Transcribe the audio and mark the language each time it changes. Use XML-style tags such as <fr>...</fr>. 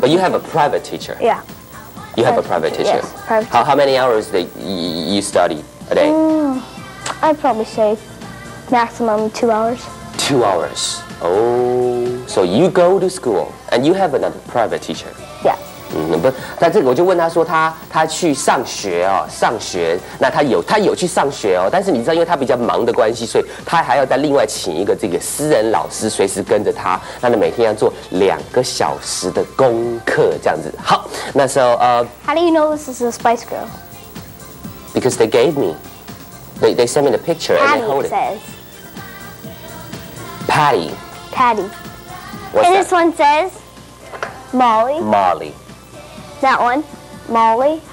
<en>But you have a private teacher? Yeah. You have a private teacher? Yes, private teacher. How many hours do you study? A day? I'd probably say maximum 2 hours. 2 hours. Oh, so you go to school and you have another private teacher. Yeah.</en> <zh>嗯，不，但这个我就问他说他去上学哦，上学。那他有去上学哦，但是你知道，因为他比较忙的关系，所以他还要再另外请一个这个私人老师，随时跟着他，让他每天要做2个小时的功课这样子。好，那时候</zh> <en>How do you know this is a Spice Girl? Because they gave me, they sent me the picture Patty, and they hold it. Patty says. Patty. Patty. What's and that? And this one says, Molly. Molly. That one, Molly.</en>